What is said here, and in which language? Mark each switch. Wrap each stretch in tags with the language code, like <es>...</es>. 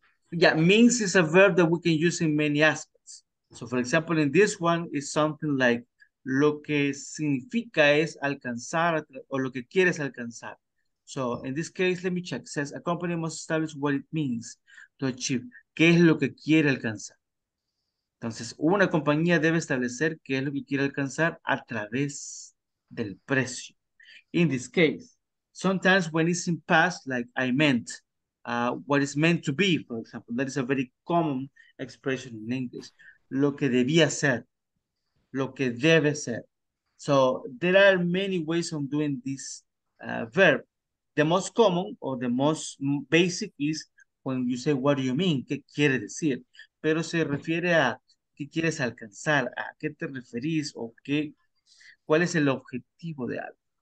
<en>Yeah, means is a verb that we can use in many aspects. So for example, in this one is something like</en> <es>lo que significa es alcanzar o lo que quieres alcanzar.</es> <en>So in this case, let me check. It says a company must establish what it means to achieve.</en> <es>¿Qué es lo que quiere alcanzar? Entonces, una compañía debe establecer qué es lo que quiere alcanzar a través del precio.</es> <en>In this case, sometimes when it's in past, like I meant, what is meant to be, for example, that is a very common expression in English.</en> <es>Lo que debía ser, lo que debe ser.</es> <en>So there are many ways of doing this verb. The most common or the most basic is when you say, what do you mean?</en> <es>¿Qué quiere decir? Pero se refiere a ¿qué quieres alcanzar? ¿A qué te referís? ¿O qué? ¿Cuál es el objetivo de algo?</es>